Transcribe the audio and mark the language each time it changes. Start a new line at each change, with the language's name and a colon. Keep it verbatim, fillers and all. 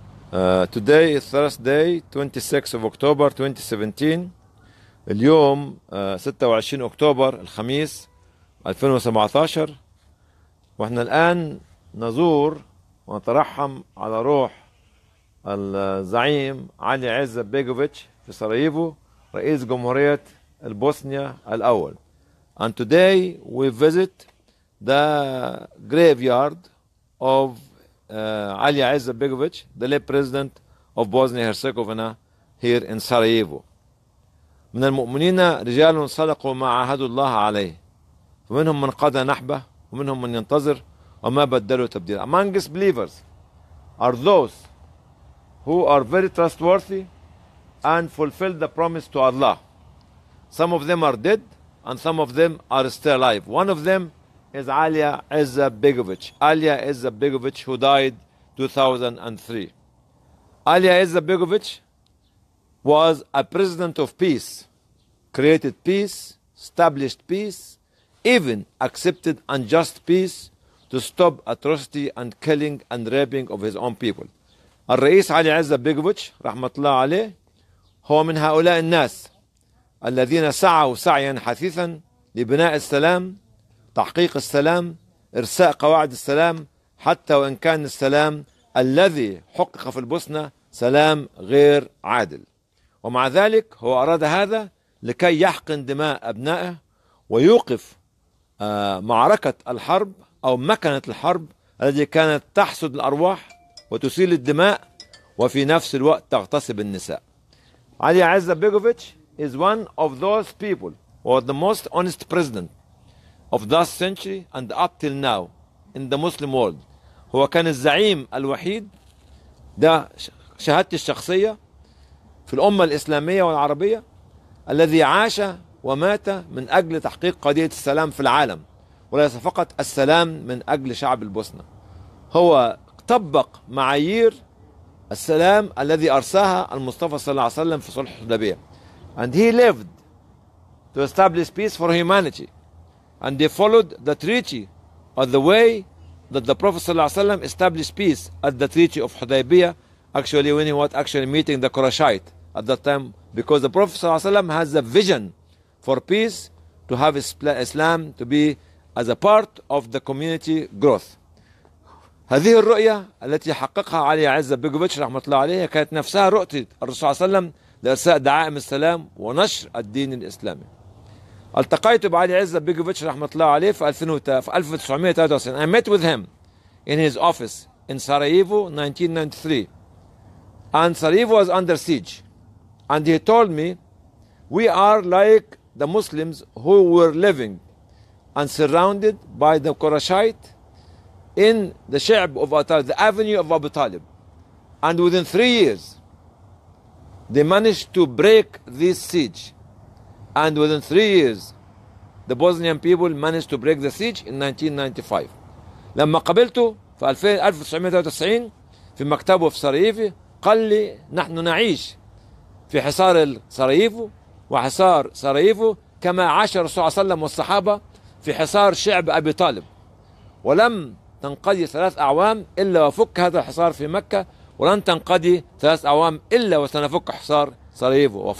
English: Uh, today is Thursday, twenty-sixth of October twenty seventeen.
Arabic: اليوم uh, ستة وعشرين أكتوبر الخميس ألفين وسبعة عشر. وإحنا الآن نزور ونترحم على روح الزعيم علي عزة بيجوفيتش في سراييفو, رئيس جمهورية البوسنيا الأول.
English: And today we visit the graveyard of uh, Ali Azza Begovic, the late president of Bosnia-Herzegovina here in Sarajevo.
Arabic: من المؤمنين رجال صدقوا ما عاهدوا الله عليه, ومنهم من قضى نحبه ومنهم من ينتظر وما بدلوا تبديلا.
English: Among us believers are those who are very trustworthy and fulfill the promise to Allah. Some of them are dead and some of them are still alive. One of them is Alija Izza Begović. Alija Izza Begović, who died two thousand three. Alija Izza Begović was a president of peace, created peace, established peace, even accepted unjust peace to stop atrocity and killing and raping of his own people.
Arabic: الرئيس علي عزة بيجوفيتش رحمة الله عليه هو من هؤلاء الناس الذين سعوا سعيا حثيثا لبناء السلام, تحقيق السلام, إرساء قواعد السلام, حتى وإن كان السلام الذي حقق في البوسنة سلام غير عادل. ومع ذلك هو أراد هذا لكي يحقن دماء أبنائه ويوقف معركة الحرب أو مكنة الحرب التي كانت تحسد الأرواح وتسيل الدماء وفي نفس الوقت تغتصب النساء.
English: علي عزة بيجوفيتش is one of those people who was the most honest president of last century and up till now in the Muslim world.
Arabic: هو كان الزعيم الوحيد, ده شهادتي الشخصية, في الأمة الإسلامية والعربية الذي عاش ومات من أجل تحقيق قضية السلام في العالم, وليس فقط السلام من أجل شعب البوسنة. هو طبق معايير السلام الذي أرساها المصطفى صلى الله عليه وسلم في صلح الحديبية.
English: And he lived to establish peace for humanity. And they followed the treaty or the way that the Prophet
Arabic: صلى الله عليه وسلم
English: established peace at the treaty of Hudaybiyah, actually when he was actually meeting the Qurayshite at that time, because the Prophet صلى الله عليه وسلم has a vision for peace, to have Islam to be as a part of the community growth.
Arabic: هذه الرؤية التي حققها علي عزة بيجوفيتش رحمة الله عليه كانت نفسها رؤية الرسول صلى الله عليه وسلم لإرساء دعائم السلام ونشر الدين الإسلامي. التقيت بعلي عزة بيجوفيتش رحمة الله عليه في ألف وتسعمائة وثلاثة وتسعين.
English: I met with him in his office in Sarajevo nineteen ninety-three. And Sarajevo was under siege. And he told me, we are like the Muslims who were living and surrounded by the Qurayshite in the Sha'b of Abu Talib, the avenue of Abu Talib. And within three years, they managed to break this siege. And within three years, the Bosnian people managed to break the siege in nineteen ninety-five.
Arabic: لما قابلته في ألف وتسعمائة وثلاثة وتسعين في مكتبه في سراييفو, قال لي نحن نعيش في حصار سراييفو, وحصار سراييفو كما عاش الرسول صلى الله عليه وسلم والصحابة في حصار شعب أبي طالب. ولم تنقضي ثلاث أعوام إلا وفك هذا الحصار في مكة, ولن تنقضي ثلاث أعوام إلا وسنفك حصار سراييفو.